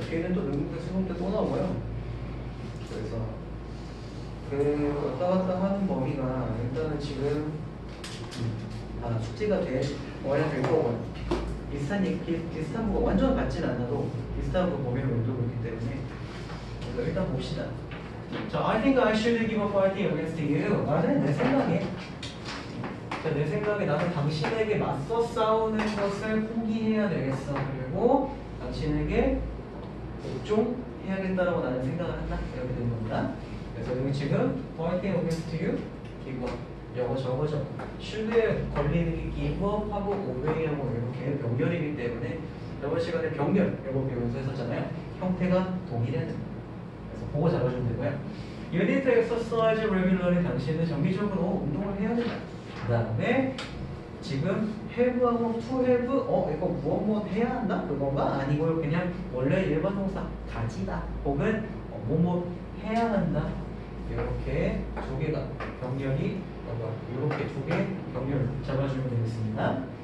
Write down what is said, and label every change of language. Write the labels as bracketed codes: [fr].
[ko] 뒤에는 또 능동사 수동 때 또 나와요. 그래서 그 왔다 갔다 하는 범위가 일단은 지금 다 숙지가 돼야 될 거고 비슷한 얘기, 비슷한 거 완전 같진 않아도 비슷한 거 범위를 만들고 있기 때문에 일단 봅시다. [en] So, I think I should give a fighting against you. [ko] 나는 내 생각에 나는 당신에게 맞서 싸우는 것을 포기해야 되겠어. 그리고 당신에게 복종해야겠다라고 나는 생각을 한다. 이렇게 된 겁니다. 그래서 여기 지금 [en] fighting against you, give up. [ko] 영어 저거죠. 슈드에 걸리는 게 기브업하고 오웨이하고 이렇게 병렬이기 때문에 저번 시간에 병렬 이거 배우면서 했었잖아요. 형태가 동일하는 거예요. 그래서 보고 잡아주면 되고요. [en] You need to exercise regularly. [ko] 당신은 정기적으로 운동을 해야 된다. 그 다음에 지금 have하고 to have 이거 무엇 무엇 해야 한다? 그건가? 아니고요. 그냥 원래 일반 동사 가지다 혹은 무엇 해야 한다. 이렇게 두 개가 병렬이 이렇게 두 개 경렬 잡아주면 되겠습니다.